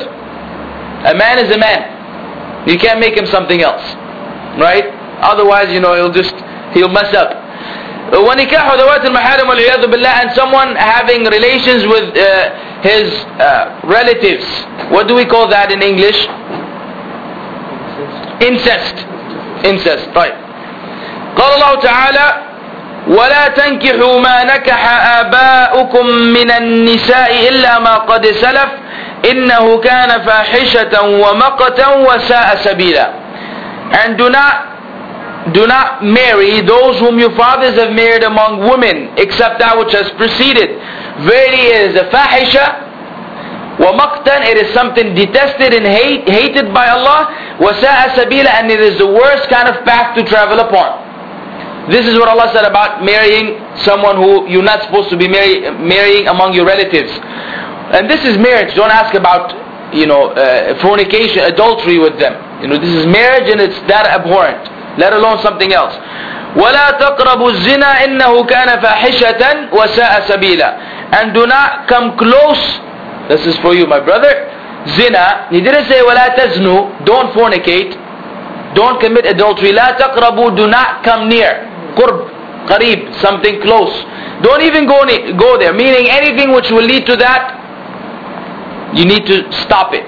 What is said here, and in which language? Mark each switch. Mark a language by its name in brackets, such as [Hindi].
[English] A man is a man. You can't make him something else. Right? Otherwise, you know, he'll mess up. [Arabic] وَنِكَاحُ ذَوَاتِ الْمَحَارِمُ وَالْعِيَاذُ بِاللَّهِ. [English] And someone having relations with his relatives. What do we call that in English? Incest, right. [Arabic] قال الله تعالى ولا تنكحوا ما نكح آباؤكم من النساء إلا ما قد سلف إنه كان فاحشة ومقتا وساء سبيلا. [English] And do not marry those whom your fathers have married among women except that which has preceded. Verily it is a fahisha. وَمَقْتًا, it is something detested and hated by Allah. [Arabic] وَسَاءَ سَبِيلًا, [English] and it is the worst kind of path to travel upon. This is what Allah said about marrying someone who you're not supposed to be marrying among your relatives. And this is marriage. Don't ask about, you know, fornication, adultery with them. You know, this is marriage and it's that abhorrent. Let alone something else. [Arabic] وَلَا تَقْرَبُوا الزِّنَا إِنَّهُ كَانَ فَاحِشَةً وَسَاءَ سَبِيلًا. [English] And do not come close This is for you, my brother. Zina. He didn't say, [Arabic] وَلَا تَزْنُوا. [English] Don't fornicate. Don't commit adultery. [Arabic] لَا تَقْرَبُوا. [English] Do not come near. قُرْب. قَرِيب. Something close. Don't even go there. Meaning anything which will lead to that, you need to stop it.